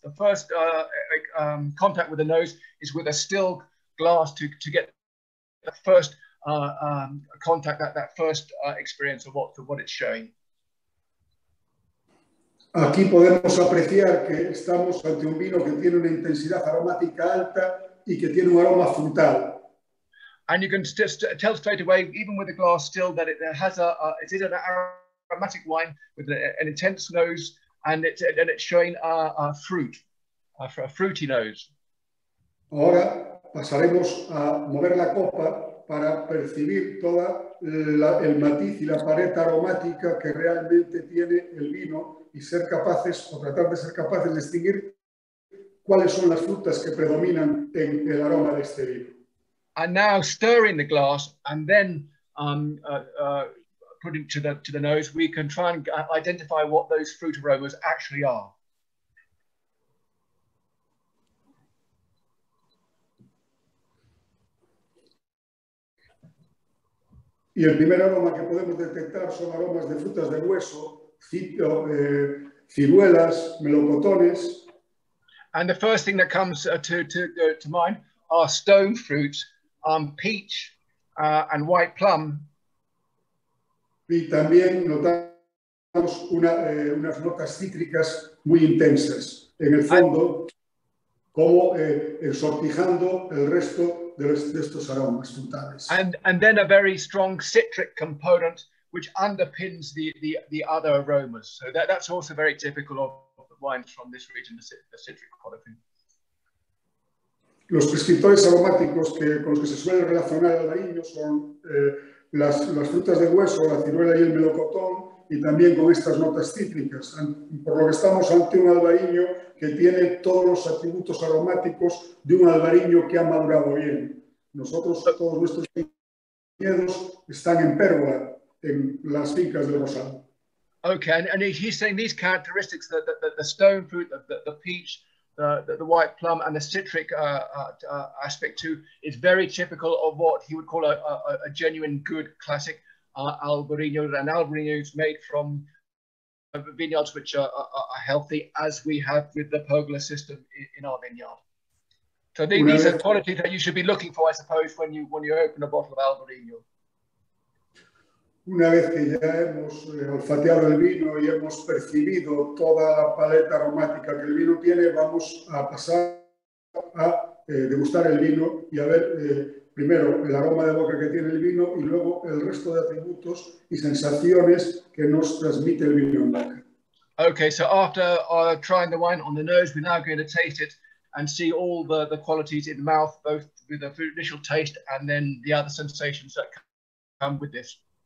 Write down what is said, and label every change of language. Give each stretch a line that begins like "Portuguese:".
English: The first contact with the nose is with a still glass to get the first contact, that first experience of what it's showing.
Spanish: Aquí podemos apreciar que estamos ante un vino que tiene una intensidad aromática alta y que tiene un aroma frutal.
English: And you can just tell straight away, even with the glass still, that it has it is an aromatic wine with an intense nose, and it's showing a fruit, a fruity nose.
Spanish: Ahora pasaremos a mover la copa para percibir toda el matiz y la pared aromática que realmente tiene el vino y ser capaces, o tratar de ser capaces de distinguir cuáles son las frutas que predominan en el aroma de este vino.
English: And now stirring the glass, and then putting it to the nose, we can try and identify what those fruit aromas actually are.
Spanish: Y el primer aroma que podemos detectar son aromas de frutas de hueso, ciruelas, melocotones.
English: And the first thing that comes to mind are stone fruits. Peach and white plum.
Spanish: Y también notamos unas notas cítricas muy intensas en el fondo, como ensortijando el resto de estos aromas frutales.
English: And then a very strong citric component which underpins the other aromas. So that's also very typical of the wines from this region, the citric quality.
Spanish: Los prescriptores aromáticos con los que se suele relacionar el Albariño son las frutas de hueso, la ciruela y el melocotón, y también con estas notas cítricas. Por lo que estamos ante un Albariño que tiene todos los atributos aromáticos de un Albariño que ha madurado bien. Nosotros, todos nuestros viñedos están en pérgola, en las fincas de Rosal.
English: Okay, and he's saying these characteristics, the stone fruit, the peach, the white plum and the citric aspect too is very typical of what he would call a genuine good classic Albariño, and Albariño is made from vineyards which are healthy, as we have with the pergola system in our vineyard. So these are qualities that you should be looking for, I suppose, when you open a bottle of Albariño.
Spanish: Una vez que ya hemos olfateado el vino y hemos percibido toda la paleta aromática que el vino tiene, vamos a pasar a degustar el vino y a ver primero el aroma de boca que tiene el vino y luego el resto de atributos y sensaciones que nos transmite el vino en boca.
English: Okay, so after trying the wine on the nose, we're now going to taste it and see all the qualities in the mouth, both with the initial taste and then the other sensations that come with this.